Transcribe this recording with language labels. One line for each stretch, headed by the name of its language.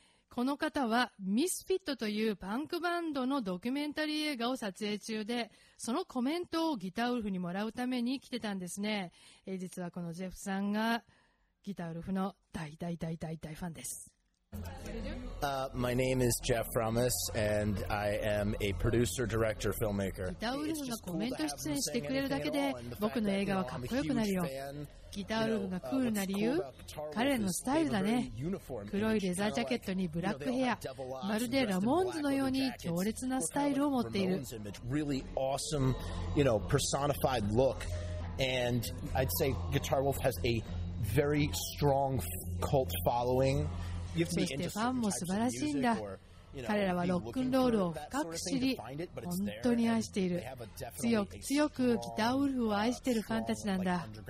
Japanese: この方はミスフィットというパンクバンドのドキュメンタリー映画を撮影中で、そのコメントをギターウルフにもらうために来てたんですね。実はこのジェフさんがギターウルフの大ファンです。
English: My name is Jeff Ramos and I am a producer, director, filmmaker.
Japanese: ギターウルフがコメント出演してくれるだけで僕の映画はかっこよくなるよ。ギターウルフがクールな理由、彼のスタイルだね。黒いレザージャケットにブラックヘア、まるでラモンズのように強烈なスタイルを持っている。
English: Really awesome, you know, personified look. And I'd say Guitar Wolf has a very strong cult following.
Japanese: そしてファンも素晴らしいんだ。彼らはロックンロールを深く知り本当に愛している、強く強くギターウルフを愛しているファンたちなんだ。